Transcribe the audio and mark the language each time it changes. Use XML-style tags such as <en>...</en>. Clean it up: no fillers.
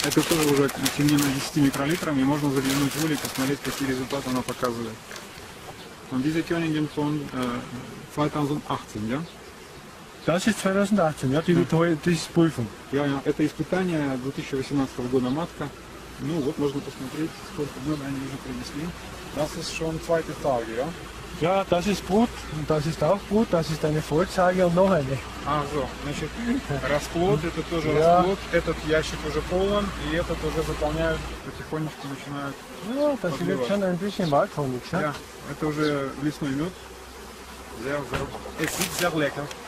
<ru>Это тоже уже темнено 10 микролитрами, и можно заглянуть в улей, посмотреть, какие результаты она показывает.</ru> <de>Und diese Königin von 2018, ja? Das ist 2018, ja, die Prüfung. Ja, ja,</de> <ru>это испытание 2018 года матка. Ну вот, можно посмотреть, сколько мед они уже принесли.</ru> <de>Das ist schon zweite Tage, ja? Ja, das ist gut, das ist auch gut, das ist eine Vorzeige und noch eine. Ach so,</de> <ru>значит, расплод, это тоже ja. Расплод, этот ящик уже полон, и этот уже заполняют, потихонечку начинают подливать.</ru> <de>Ja, das wird schon ein bisschen Waldhonig, ja?</de> <ru>Ja, это уже лесной мед.</ru> <de>Sehr, sehr, es sieht sehr lecker.</de>